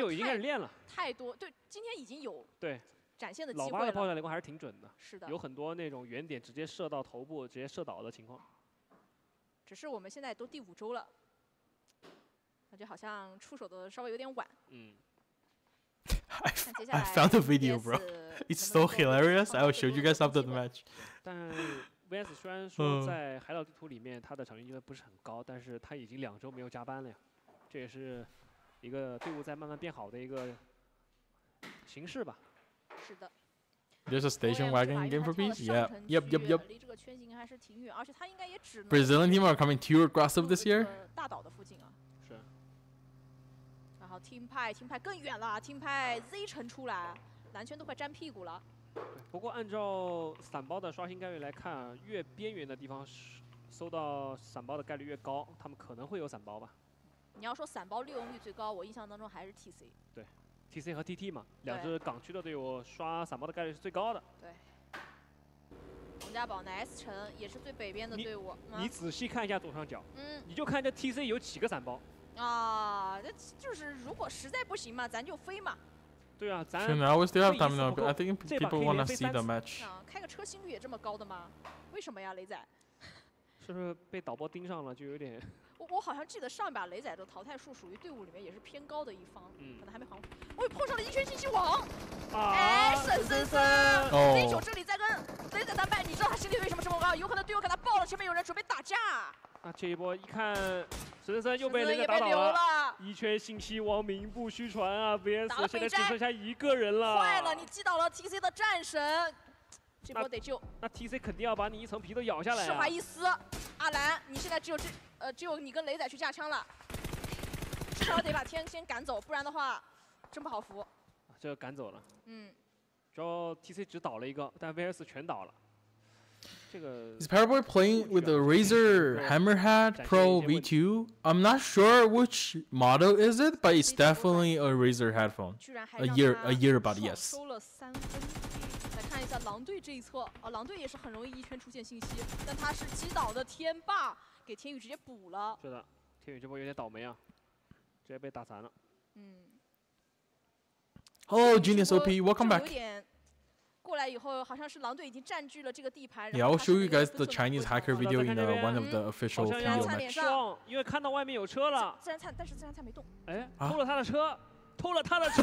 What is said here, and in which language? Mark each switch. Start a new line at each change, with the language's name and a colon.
Chinese: Z9 已经开始练了太多。对，今天已经有对展现的机会了。老八的爆炸雷公还是挺准的。是的，有很多那种原点直接射到头部直接射倒的情况。只是我们现在都第五周了，感觉好像出手的稍微有点晚。嗯，
English: I found the video bro, it's so hilarious, I will show you guys after the match.
Chinese: 但VS 虽然说在海岛地图里面他的场均积分不是很高，但是他已经两周没有加班了呀，这也是一个队伍在慢慢变好的一个形式吧。是的。
English: There's a station wagon in game for peace? Yeah. Yep, yep, yep.
Chinese: 离这个圈型还是挺远，而且他应该也只能。
English: Brazilian team are coming too aggressive this year.
Chinese: 大岛的附近啊。是。然后 Team 派 ，Team 派更远了 ，Team 派 Z 城出来，蓝圈都快粘屁股了。对，不过按照散包的刷新概率来看，越边缘的地方搜到散包的概率越高，他们可能会有散包吧。你要说散包利用率最高，我印象当中还是 TC。对 ，TC 和 TT 嘛，两支港区的队伍刷散包的概率是最高的。对。佟家宝呢 ？S 城也是最北边的队伍。你仔细看一下左上角。嗯。你就看这 TC 有几个散包。啊，那就是如果实在不行嘛，咱就飞嘛。对啊，咱。
English: Can I always still have time now? But I think people want to see the match.
Chinese: 开个车心率也这么高的吗？为什么呀，雷仔？是不是被导播盯上了，就有点？我好像记得上一把雷仔的淘汰数属于队伍里面也是偏高的一方，嗯、可能还没还。我、哦、碰上了一圈信息网，啊、哎，沈森森，零、哦、九这里在跟雷仔单掰，你知道他心里为什么这么高？有可能队友给他爆了，前面有人准备打架。啊，这一波一看，沈森森又被雷仔打倒了，一圈信息网名不虚传啊 ，VS 现在只剩下一个人了。坏了，你击倒了 TC 的战神，这波得救。那 TC 肯定要把你一层皮都咬下来、啊。施怀伊斯，阿兰，你现在只有这。只有你跟雷仔去架枪了，至少得把天先赶走，不然的话真不好扶。这赶走了。嗯。主要 TC 只倒了一个，但 VS 全倒了。这个。
English: Is Paraboy playing with the Razer Hammerhead Pro V2? I'm not sure which model is it, but it's definitely a Razer headphone. A year about, yes.
Chinese: 收了三分。来看一下狼队这一侧，狼队也是很容易一圈出现信息，但他是击倒的天霸。给天宇直接补了。是的，天宇这波有点倒霉啊，直接被打残了。嗯。
English: Hello, Genius OP, welcome back.
Chinese: 有点过来以后，好像是狼队已经占据了这个地盘。
English: Yeah, I'll show you guys the Chinese hacker video in one of the official PO match.
Chinese: 好像人撞，因为看到外面有车了。自然灿，但是自然灿没动。哎，偷了他的车，偷了他的车。